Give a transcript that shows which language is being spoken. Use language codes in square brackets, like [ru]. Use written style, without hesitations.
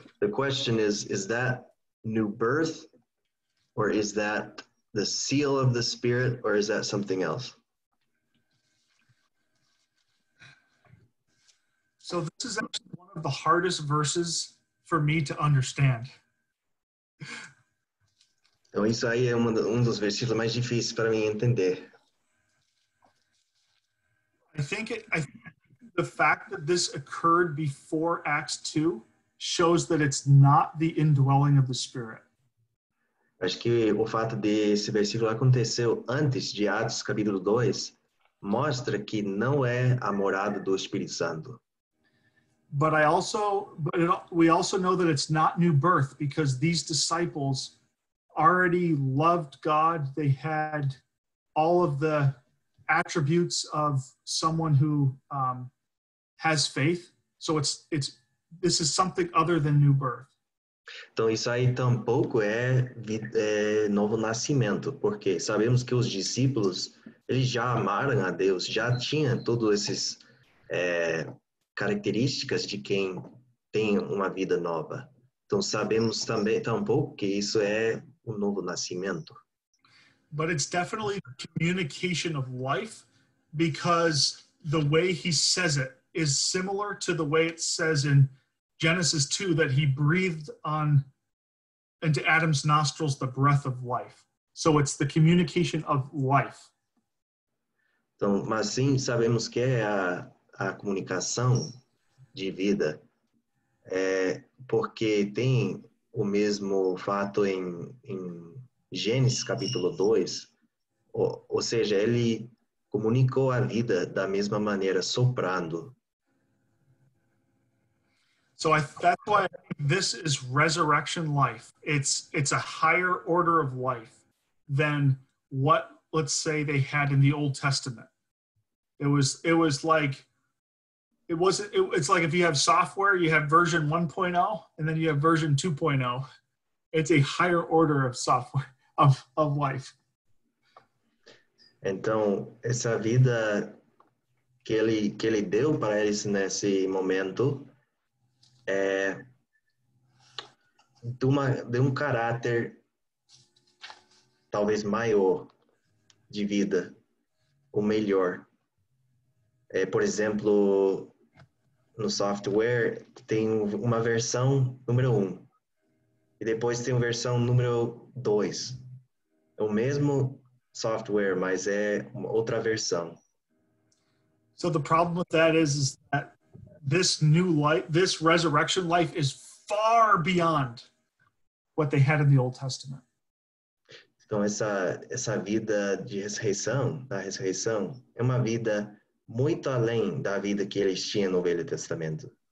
[en] The question is that new birth, or is that the seal of the Spirit, or is that something else? So this is actually one of the hardest verses for me to understand. [pt] Então isso aí é um dos versículos mais difíceis para mim entender. [en] I think the fact that this occurred before Acts 2 shows that it's not the indwelling of the Spirit. [pt] Acho que o fato de esse versículo aconteceu antes de Atos capítulo 2 mostra que não é a morada do Espírito Santo. [en] But we also know that it's not new birth, because these disciples already loved God. They had all of the attributes of someone who has faith. So this is something other than new birth. [pt] Então isso aí tampouco é novo nascimento, porque sabemos que os discípulos, eles já amaram a Deus, já tinham todos esses características de quem tem uma vida nova. Então sabemos também tampouco que isso é um novo nascimento. [en] But it's definitely a communication of life, because the way he says it is similar to the way it says in Genesis 2 that he breathed into Adam's nostrils the breath of life. So it's the communication of life. [pt] Então, mas sim, sabemos que é a comunicação de vida, porque tem o mesmo fato em Gênesis capítulo 2, ou seja, ele comunicou a vida da mesma maneira, soprando. [en] So that's why this is resurrection life. It's a higher order of life than what, let's say, they had in the Old Testament. It's like if you have software, you have version 1.0, and then you have version 2.0. It's a higher order of software, of life. [pt] Então, essa vida que ele deu para eles nesse momento é de um caráter talvez maior de vida, o melhor. Por exemplo, no software tem uma versão número 1 e depois tem uma versão número 2. É o mesmo software, mas é uma outra versão. [en] So the problem with that is that this new life, this resurrection life is far beyond what they had in the Old Testament. [pt] Então essa vida de ressurreição, da ressurreição, é uma vida muito além da vida que eles tinham no Velho Testamento.